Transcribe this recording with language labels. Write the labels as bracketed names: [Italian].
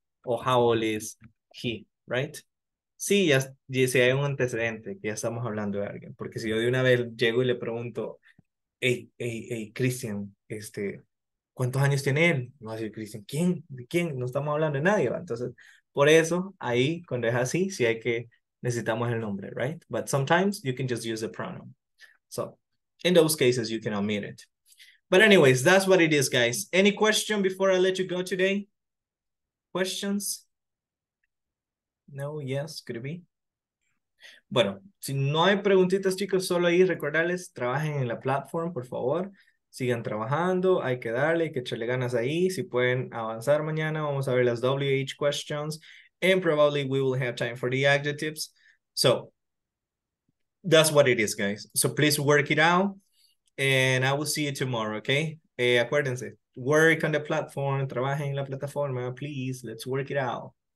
[Spanish] O [English] how old is he, right? [Spanish] Sí, ya si hay un antecedente, que ya estamos hablando de alguien. Porque si yo de una vez llego y le pregunto, hey, Christian, ¿cuántos años tiene él? No va a decir Christian, ¿quién? ¿De quién? No estamos hablando de nadie, ¿va? Entonces, por eso, ahí, cuando es así, sí hay que, necesitamos el nombre, right? [English] But sometimes, you can just use the pronoun. So, in those cases, you can omit it. But anyways, that's what it is, guys. Any question before I let you go today? Questions? No, yes, could it be? [Spanish] Bueno, si no hay preguntitas, chicos, solo ahí recordarles, trabajen en la platform, por favor. Sigan trabajando, hay que darle, hay que echarle ganas ahí. Si pueden avanzar mañana, vamos a ver las WH questions. [English] And probably we will have time for the adjectives. So, that's what it is, guys. So, please work it out. And I will see you tomorrow, okay? [Spanish] Acuérdense, [English] work on the platform, [Spanish] trabajen en la plataforma, [English] please. Let's work it out.